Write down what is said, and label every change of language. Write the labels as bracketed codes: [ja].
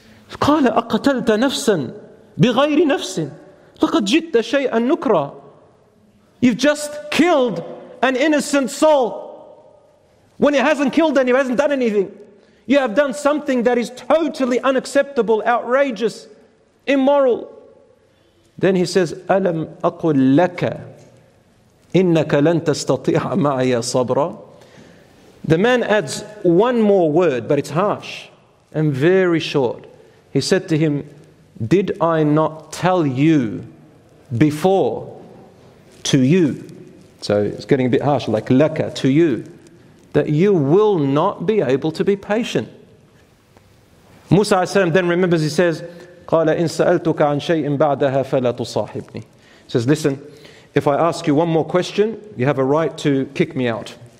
[ar] قَالَ أَقَتَلْتَ نَفْسًا بِغَيْرِ نَفْسٍ لَقَدْ جِدَّ شَيْئًا نُكْرًا. [en] You've just killed an innocent soul when it hasn't killed anyone, hasn't done anything. You have done something that is totally unacceptable, outrageous, immoral. Then he says, [ar] أَلَمْ أَقُلْ لَكَ إِنَّكَ لَنْ تَسْتَطِيعَ مَعَيَ صَبْرًا. [en] The man adds one more word, but it's harsh and very short. He said to him, did I not tell you before to you? So it's getting a bit harsh, like laka, to you, that you will not be able to be patient. Musa alayhi then remembers, he says, [ar] قَالَ إِن سَأَلْتُكَ عَنْ شَيْءٍ بَعْدَهَا فَلَا تُصَاحِبْنِي. [en] He says, listen, if I ask you one more question, you have a right to kick me out.